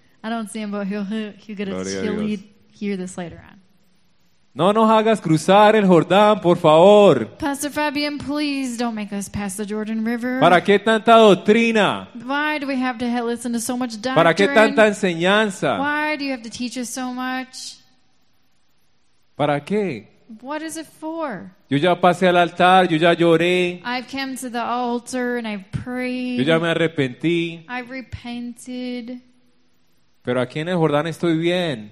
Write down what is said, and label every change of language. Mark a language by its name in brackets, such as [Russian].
[English] I don't see him, but he'll hear this later on. [Spanish] No nos hagas cruzar el Jordán, por favor. [English] Pastor Fabian, please don't make us pass the Jordan River. [Spanish] ¿Para qué tanta doctrina? [English] Why do we have to listen to so much doctrine? [Spanish] ¿Para qué tanta enseñanza? [English] Why do you have to teach us so much? [Spanish] ¿Para qué? [English] What is it for? [Spanish] Yo ya pasé al altar, yo ya lloré. [English] I've come to the altar and I've prayed. [Spanish] Yo ya me arrepentí. [English] I've repented. [Spanish] Pero aquí en el Jordán estoy bien.